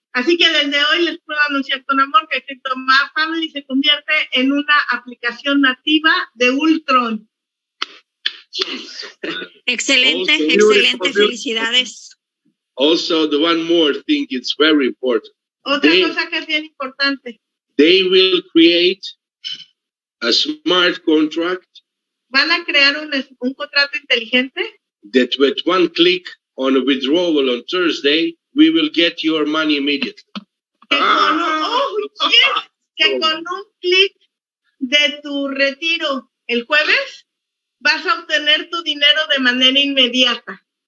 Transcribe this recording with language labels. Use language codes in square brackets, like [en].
[es] Así que desde hoy les puedo anunciar con amor que Cryptofamily se convierte en una aplicación nativa de Ultron. [en] Yes. [es] Excelente, also, excelente, felicidades. [en] Also, the one more thing is very important. [es] Otra cosa que es bien importante. [en] They will create a smart contract. [es] ¿Van a crear un contrato inteligente? [en] That with one click on a withdrawal on Thursday, we will get your money immediately. [es] Con un clic de tu retiro el jueves, vas a obtener tu dinero de manera inmediata.